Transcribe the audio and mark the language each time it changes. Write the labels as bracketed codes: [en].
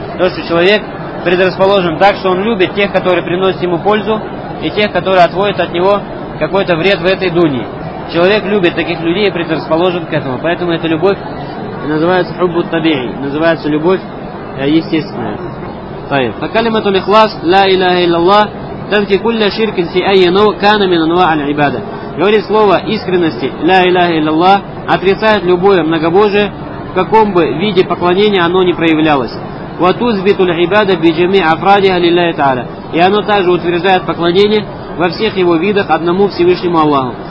[ru] То, что человек предрасположен так, что он любит тех, которые приносят ему пользу, и тех, которые отводят от него какой-то вред в этой дунии. Человек любит таких людей и предрасположен к этому. Поэтому эта любовь называется хуббу ат-табии, называется любовь естественная. [ar] طيب. فكلمه الاخلاص لا اله الا الله تنفي كل شرك في اي نوع كان من انواع العباده. [ru] Говорит, слово искренности [ar] ла иляха илляллах [ru] отрицает любое многобожие, в каком бы виде поклонения оно ни проявлялось. [ar] Ва тузбиту аль-ибада би джами' афрадиха лиллахи тааля. [ru] И оно также утверждает поклонение во всех его видах одному Всевышнему Аллаху.